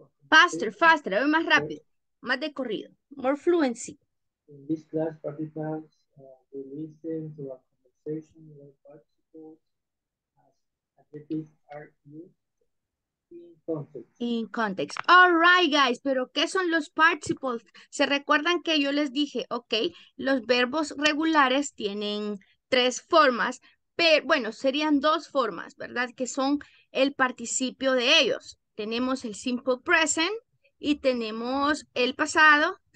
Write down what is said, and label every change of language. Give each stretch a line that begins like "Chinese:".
English: Faster,
Spanish: ve más rápido, más de corrido,
English: more fluency. In this class, participants will listen to a conversation where participles as adjectives are used in context. In context. All right, guys,
Spanish: pero ¿qué son los participles? ¿Se recuerdan que yo les dije, ok, los verbos regulares tienen tres formas? Pero, bueno, serían dos formas, ¿verdad? Que son el participio de ellos. Tenemos el simple present y tenemos el pasado.